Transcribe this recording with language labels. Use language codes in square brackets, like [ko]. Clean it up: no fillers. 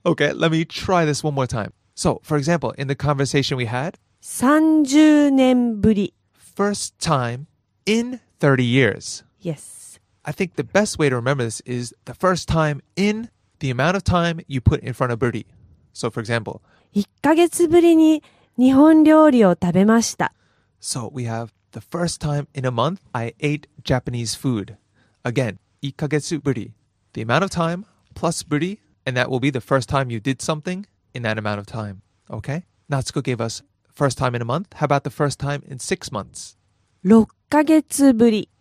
[en] Okay, let me try this one more time. So, for example, in the conversation we had, [ja] 30年ぶり. [en] First time in 30 years. Yes. I think the best way to remember this is the first time in the amount of time you put in front of buri. So, for example, [ja] 1ヶ月ぶりに日本料理を食べました. [en] So, we have the first time in a month I ate Japanese food. Again, 1ヶ月ぶり, the amount of time plus buri, and that will be the first time you did something in that amount of time. Okay? Natsuko gave us first time in a month. How about the first time in 6 months? [ja] 6ヶ月ぶり.